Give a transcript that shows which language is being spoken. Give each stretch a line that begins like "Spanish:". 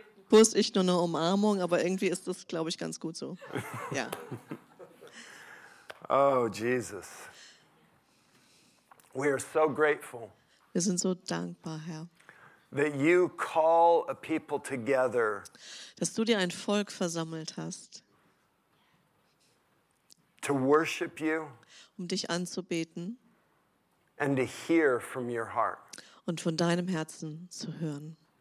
German: Kuss, ich nur eine Umarmung, aber irgendwie ist das, glaube ich, ganz gut so. Ja.
English: Oh, Jesus. We are so grateful.
German: Wir sind so dankbar, Herr.
English: That you call a people together.
German: Dass du dir ein Volk versammelt hast.
English: To worship you.
German: Um dich anzubeten.
English: And to hear from your heart.
German: Und von deinem Herzen zu hören.